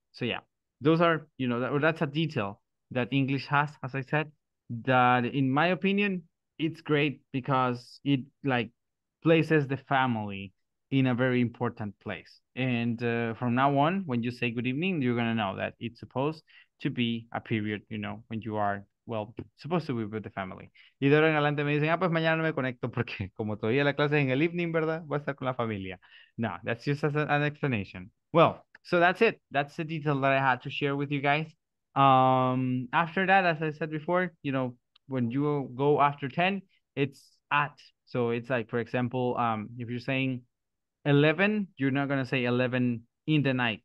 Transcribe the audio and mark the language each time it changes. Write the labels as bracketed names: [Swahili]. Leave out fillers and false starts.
[English] So yeah, those are, you know, that's a detail that English has, as I said, that in my opinion, it's great because it like places the family in a very important place. And from now on, when you say good evening, you're going to know that it's supposed to be a period, you know, when you are, well, supposed to be with the family. [Spanish] Y de ahora en adelante me dicen, ah, pues mañana no me conecto porque como todavía la clase es en el evening, ¿verdad? Voy a estar con la familia. No, [English] that's just an explanation. Well, so that's it. That's the detail that I had to share with you guys. After that, as I said before, you know, when you go after 10, it's at. So it's like, for example, if you're saying 11, you're not going to say 11 in the night.